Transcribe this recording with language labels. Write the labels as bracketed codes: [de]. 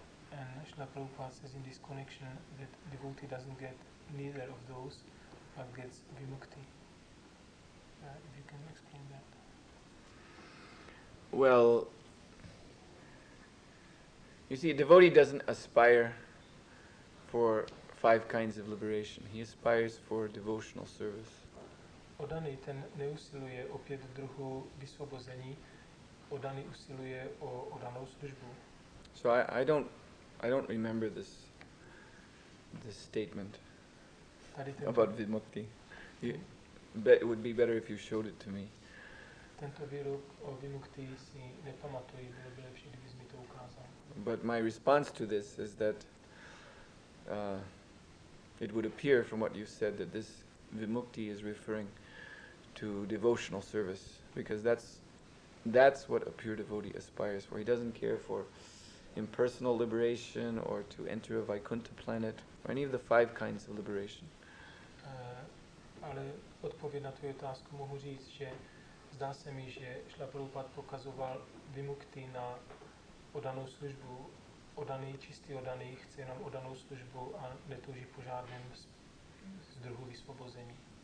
[en] And Srila Prabhupada says in this connection that devotee doesn't get neither of those, but gets vimukti. If you can explain that. Well, you see, a devotee doesn't aspire for five kinds of liberation. He aspires for devotional service. [cs] Oddaný ten neusiluje o pět druhů vysvobození. Oddaný usiluje o oddanou službu. [en] So I don't remember this statement about vimukti. It would be better if you showed it to me. [cs] Tento výrok o vimukti si nepamatuji, bylo by lepší, kdybys mi to ukázal. [en] But my response to this is that it would appear from what you said that this vimukti is referring to devotional service, because that's what a pure devotee aspires for. He doesn't care for impersonal liberation or to enter a Vaikuntha planet or any of the five kinds of liberation. [cs] Ale odpověď na tvou otázku mohu říct, že zdá se mi, že Šrila Prabhupada pokazoval vimukti na oddanou službu. Oddaný, čistý oddaný, chce jenom oddanou službu a netouží po žádném z druhu vysvobození.